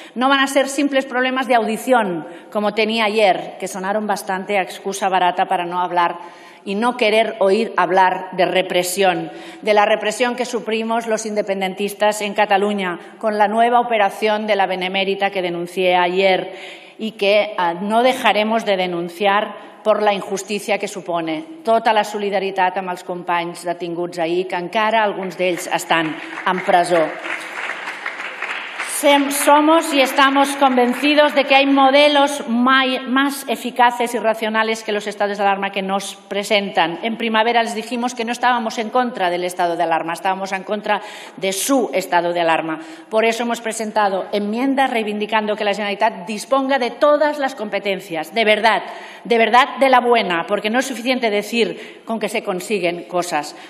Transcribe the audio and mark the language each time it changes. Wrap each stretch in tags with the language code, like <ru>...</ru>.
<es>No van a ser simples problemas de audición, como tenía ayer, que sonaron bastante a excusa barata para no hablar y no querer oír hablar de represión, de la represión que sufrimos los independentistas en Cataluña con la nueva operación de la Benemérita que denuncié ayer y que no dejaremos de denunciar</es> <ca>per la injustícia que suposa. Tota la solidaritat amb els companys detinguts ahir, que encara alguns d'ells estan en presó.</ca> <es>Somos y estamos convencidos de que hay modelos más eficaces y racionales que los estados de alarma que nos presentan. En primavera les dijimos que no estábamos en contra del estado de alarma, estábamos en contra de su estado de alarma. Por eso hemos presentado enmiendas reivindicando que la Generalitat disponga de todas las competencias, de verdad de la buena, porque no es suficiente decir con que se consiguen cosas.</es>